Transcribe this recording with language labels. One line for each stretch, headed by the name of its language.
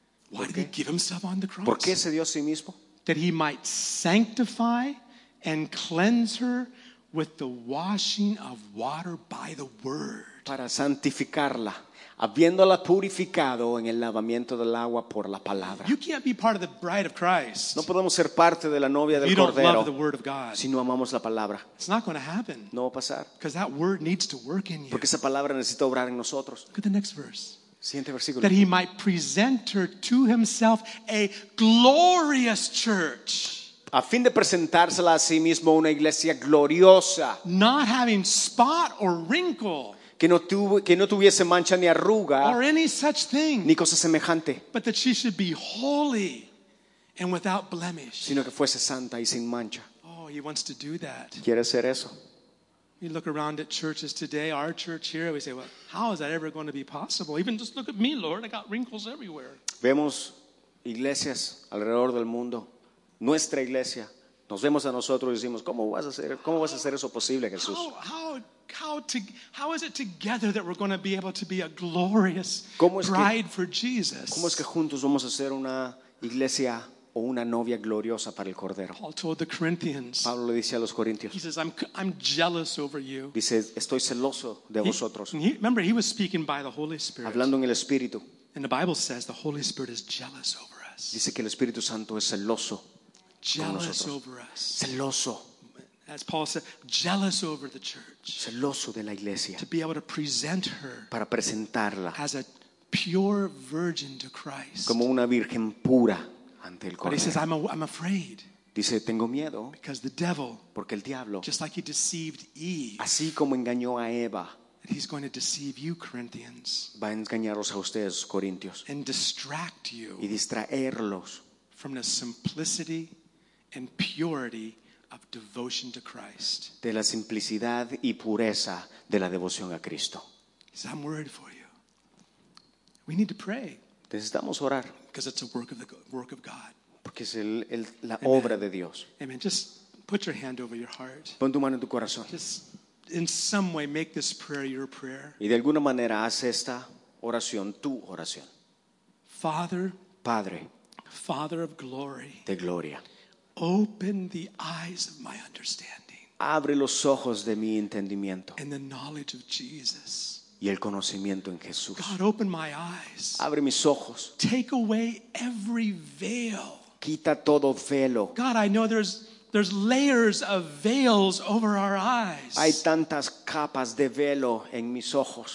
English: Why did he give himself on the cross?
Spanish: ¿Por qué se dio a sí mismo?
English: That he might sanctify and cleanse her with the washing of water by the word.
Spanish: Para santificarla, habiéndola purificado en el lavamiento del agua por la palabra.
English: You can't be part of the bride of Christ.
Spanish: No podemos ser parte de la novia del
English: you
Spanish: cordero.
English: You don't love the word of God.
Spanish: Si no amamos la palabra.
English: It's not going to happen.
Spanish: No va a pasar.
English: Because that word needs to work in you.
Spanish: Porque esa palabra necesita obrar en nosotros.
English: Look at the next verse.
Spanish: Siguiente versículo.
English: That he might present her to himself a glorious church.
Spanish: A fin de presentársela a sí mismo una iglesia gloriosa.
English: Not having spot or wrinkle.
Spanish: Que no tuviese mancha ni arruga.
English: Or any such thing.
Spanish: Ni cosa semejante.
English: But that she should be holy and without blemish.
Spanish: Sino que fuese santa y sin mancha.
English: Oh, he wants to do that.
Spanish: Quiere hacer eso.
English: We look around at churches today, our church here, we say, well, how is that ever going to be possible? Even just look at me, Lord, I got wrinkles everywhere.
Spanish: Vemos iglesias alrededor del mundo. Nuestra iglesia, nos vemos a nosotros y decimos, ¿cómo vas a hacer eso posible, Jesús?
English: How is it together that we're going to be able to be a glorious bride for Jesus?
Spanish: ¿Cómo es que juntos vamos a ser una iglesia o una novia gloriosa para el Cordero?
English: Paul told the Corinthians.
Spanish: Pablo le dice a los Corintios.
English: He says, I'm jealous over you.
Spanish: Dice, estoy celoso de vosotros.
English: Remember, he was speaking by the Holy Spirit.
Spanish: Hablando en el Espíritu.
English: And the Bible says the Holy Spirit is jealous over us.
Spanish: Dice que el Espíritu Santo es celoso.
English: Jealous over us.
Spanish: Celoso.
English: As Paul said, jealous over the church.
Spanish: Celoso de la iglesia.
English: To be able to present her.
Spanish: Para presentarla.
English: As a pure virgin to Christ.
Spanish: Como una virgen pura ante el Cordero.
English: But he says, I'm afraid.
Spanish: Dice, tengo miedo.
English: Because the devil.
Spanish: Porque el diablo.
English: Just like he deceived Eve.
Spanish: Así como engañó a Eva.
English: He's going to deceive you, Corinthians.
Spanish: Va a engañarlos a ustedes, Corintios.
English: And distract you.
Spanish: Y distraerlos.
English: From the simplicity and purity of devotion to Christ.
Spanish: De la simplicidad y pureza de la devoción a Cristo.
English: I'm worried for you. We need to pray.
Spanish: Necesitamos orar.
English: Because it's a work of God.
Spanish: Porque es la obra de Dios.
English: Amen. Just put your hand over your heart.
Spanish: Pon tu mano en tu corazón.
English: Just in some way make this prayer your prayer.
Spanish: Y de alguna manera haz esta oración tu oración.
English: Father.
Spanish: Padre.
English: Father of glory,
Spanish: de gloria.
English: Open the eyes of my understanding.
Spanish: Abre los ojos de mi entendimiento.
English: And the knowledge of Jesus.
Spanish: Y el conocimiento en Jesús.
English: God, open my eyes.
Spanish: Abre mis ojos.
English: Take away every veil.
Spanish: Quita todo velo.
English: God, I know there's layers of veils over our eyes.
Spanish: Hay tantas capas de velo en mis ojos.